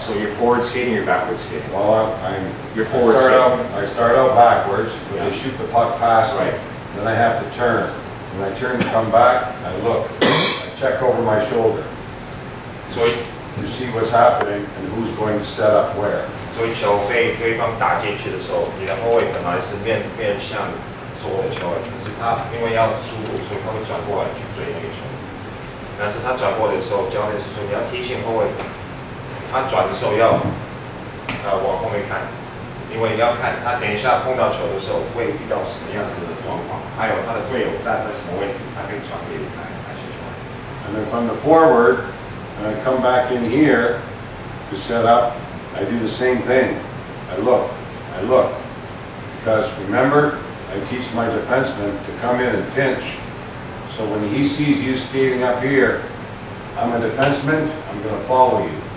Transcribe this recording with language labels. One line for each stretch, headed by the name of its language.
English: So you're forward skating, you're backwards skating? Well, you're forward skating. I start out backwards, but yeah. They shoot the puck past me. Right. Then I have to turn. When I turn to come back, I look. I check over my shoulder. So to see what's happening and who's going to set up where.
Chinese: 所以球被对方打进去的时候，你的后卫本来是面向所有的球员，可是他因为要速度，所以他会转过来去追那个球。但是他转过来的时候，教练是说你要提醒后卫，他转的时候要往后面看，因为要看他等一下碰到球的时候会遇到什么样子的状况，还有他的队友站在什么位置，他可以转给哪些球员。
English: And then from the forward, and I come back in here to set up. I do the same thing. I look. Because remember, I teach my defenseman to come in and pinch. So when he sees you skating up here, I'm a defenseman, I'm going to follow you.